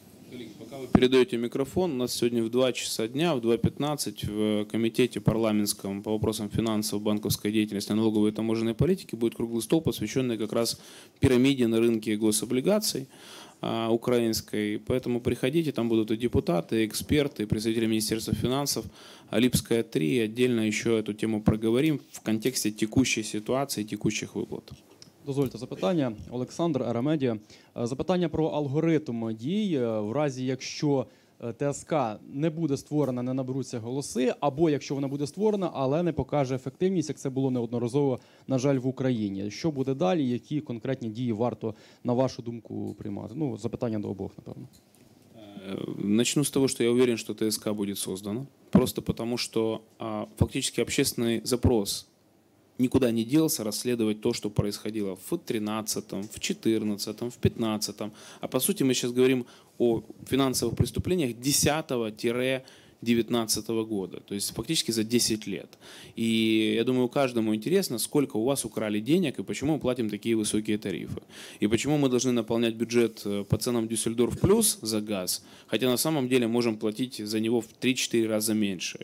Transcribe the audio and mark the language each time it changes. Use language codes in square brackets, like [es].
[ru] Коллеги, пока вы передаете микрофон, у нас сегодня в 2 часа дня, в 2.15 в комитете парламентском по вопросам финансов, банковской деятельности, налоговой и таможенной политики будет круглый стол, посвященный как раз пирамиде на рынке гособлигаций украинской. Поэтому приходите, там будут и депутаты, и эксперты, и представители Министерства финансов. Липская 3, отдельно еще эту тему проговорим в контексте текущей ситуації, текущих виплат. [uk] Дозвольте запитання. Олександр, Арамедія. Запитання про алгоритм дій в разі, якщо ТСК не буде створена, не наберуться голоси, або якщо вона буде створена, але не покаже ефективність, як це було неодноразово, на жаль, в Україні. Що буде далі, які конкретні дії варто, на вашу думку, приймати? Ну, запитання до обох, напевно. Начну з того, що я уверен, що ТСК буде створена. Просто тому, що фактично общественний запрос нікуди не ділся розслідувати те, що відбувалося в 13-му, в 14-му, в 15-му. А по суті, ми зараз говоримо [ru] о финансовых преступлениях 10-19 года, то есть фактически за 10 лет. И я думаю, каждому интересно, сколько у вас украли денег и почему мы платим такие высокие тарифы. И почему мы должны наполнять бюджет по ценам Дюссельдорф плюс за газ, хотя на самом деле можем платить за него в 3-4 раза меньше.